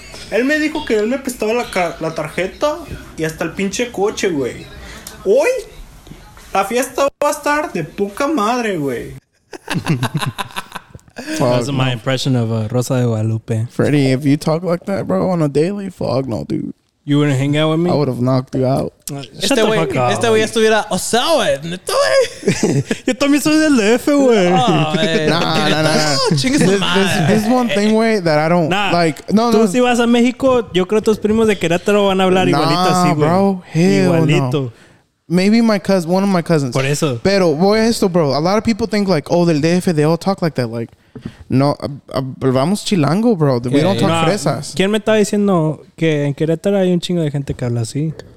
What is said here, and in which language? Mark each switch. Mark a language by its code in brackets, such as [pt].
[es] Él me dijo que él me prestaba la tarjeta y hasta el pinche coche, güey. Hoy la fiesta va a estar de poca madre, güey. [en] That's my impression of Rosa de Guadalupe. Freddy, if you talk like that, bro, on a daily, fuck no, dude. You wouldn't hang out with me? I would have knocked you out. [es] Este güey, estuviera, o sea, güey, neta, güey. Yo también soy del DF, güey. [en] Nah. This one thing, güey, that I don't like. No. [es] Tú si vas a México, yo creo tus primos de Querétaro van a hablar igualito así, güey. [en] Nah, bro, hell igualito. No. Maybe one of my cousins. [es] Por eso. Pero, voy a esto, bro. [en] A lot of people think like, oh, del DF, they all talk like that. Like, no, [es] vamos chilango, [en] bro. We don't talk fresas. [es] ¿Quién me está diciendo que en Querétaro hay un chingo de gente que habla así?